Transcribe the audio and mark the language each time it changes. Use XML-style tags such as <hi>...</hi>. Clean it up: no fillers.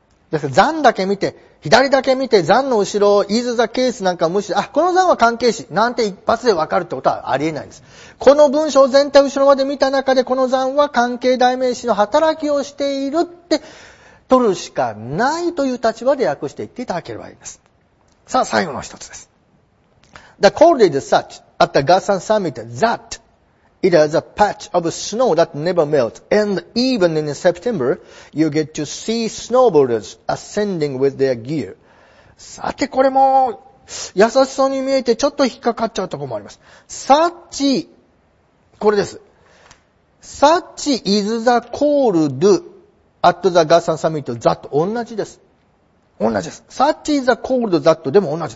<ja>ですから残だけ見て、左だけ見て、残の後ろ、is the case なんか無視、この残は関係詞、なんて一発で分かるってことはありえないです。この文章全体後ろまで見た中で、この残は関係代名詞の働きをしているって取るしかないという立場で訳していっていただければいいです。さあ、最後の一つです。</ja> <en>The cold is such at the Gasan Summit that it has a patch of snow that never melts, and even in September, you get to see snowboarders ascending with their gear.</en> <ja>さて、これも優しそうに見えてちょっと引っかかっちゃうところもあります。</ja> <en>Such,</en> <ja>これです。</ja> <en>Such is the cold at the Gasan Summit that</en> <ja>同じです。同じです。</ja> <en>Such is the cold that</en> <ja>でも同じ。</ja>